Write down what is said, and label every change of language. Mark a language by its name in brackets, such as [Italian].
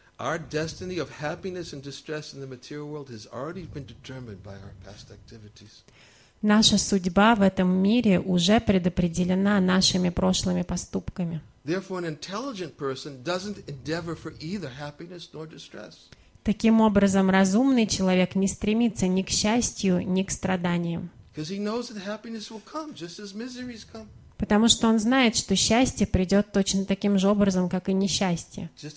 [English] Our destiny of happiness and distress in the material world has already been determined by our past activities. [Russian] Наша судьба в этом мире уже предопределена нашими прошлыми поступками. [English] Therefore, an intelligent person doesn't endeavor for either happiness nor distress. [Russian] Таким образом, разумный человек не стремится ни к счастью, ни к страданиям. [English] Because he knows that happiness will come, just as miseries come. [Russian] Потому что он знает, что счастье придет точно таким же образом, как и несчастье.